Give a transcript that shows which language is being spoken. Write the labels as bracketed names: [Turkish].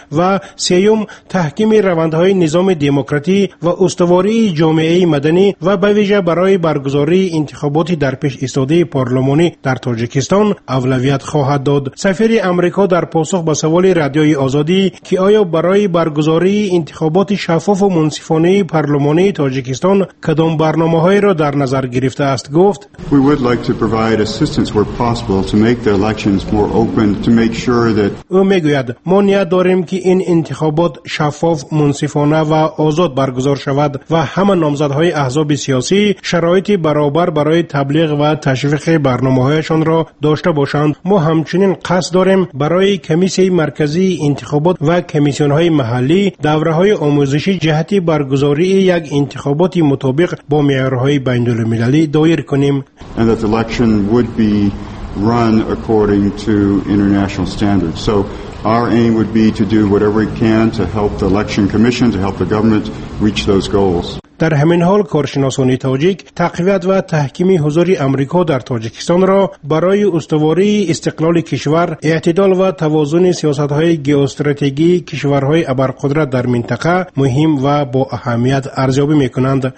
[Persian] و سیوم تحکیم روندهای نظام دموکراتی و استواری جامعه مدنی و به ویژه برای برگزاری انتخابات در پیش ایستاده پارلمانی در تاجیکستان اولویت خواهد داد. سفیر آمریکا در پاسخ به سوال رادیوی آزادی که آیا برای برگزاری انتخابات شفاف و منصفانه پارلمانی تاجیکستان کدام برنامه‌هایی را در نظر گرفته است، گفت: [English] We would like to provide assistance where possible to make the elections more open, to make sure that [Persian] او می‌گوید ما نیاز داریم که این انتخابات شفاف، منصفانه و آزاد برگزار شود و همه نامزدهای احزاب سیاسی شرایط برابر برای تبلیغ و تشویق برنامه‌هایشان را داشته باشند. ما همچنین قصد داریم برای کمیسیون مرکزی انتخابات و کمیسیون‌های محلی دوره‌های آموزشی جهت برگزاری یک انتخابات مطابق با معیارهای بین‌المللی دایر کنیم. [English] And that the election would be run according to international standards. So our aim would be to do whatever we can to help the election commission, to help the government reach those goals. [Persian] در همین حال کارشناسان تاجیک تقویت و تحکیم حضور آمریکا در تاجیکستان را برای استواری استقلال کشور، اعتدال و توازن سیاست‌های گئواستراتژی کشورهای ابرقدرت در منطقه مهم و با اهمیت ارزیابی می‌کنند.